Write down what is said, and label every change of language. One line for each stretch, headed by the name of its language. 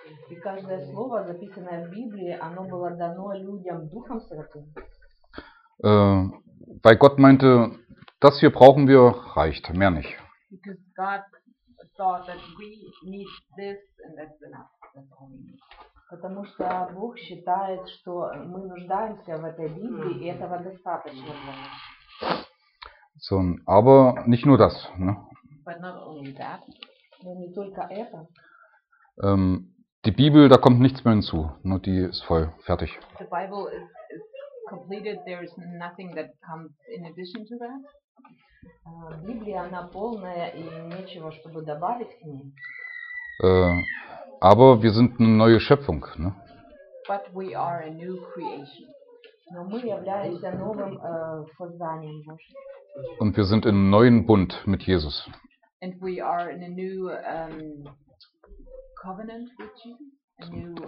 Russian: И каждое слово, записанное в Библии, оно было дано людям Духом Святым.
German: Weil Gott meinte, das hier brauchen wir, reicht, mehr nicht.
English: Because God thought that we need this and that's enough. That's all we need.
Russian: Потому что Бог считает, что мы нуждаемся в этой Библии, и этого достаточно для нас.
German: So, aber nicht nur das, ne?
English: But not only that.
Russian: Но не только это.
German: Die Bibel, da kommt nichts mehr hinzu. Nur die ist voll, fertig.
English: The Bible is completed. There is nothing that comes in addition to that.
Russian: Библия, она полная, и нечего, чтобы добавить к ней.
German: Aber wir sind eine neue Schöpfung, ne?
English: But we are a new creation.
Russian: Но мы являемся новым созданием.
German: Und wir sind in einem neuen Bund mit Jesus.
English: And we are in a new covenant with Jesus.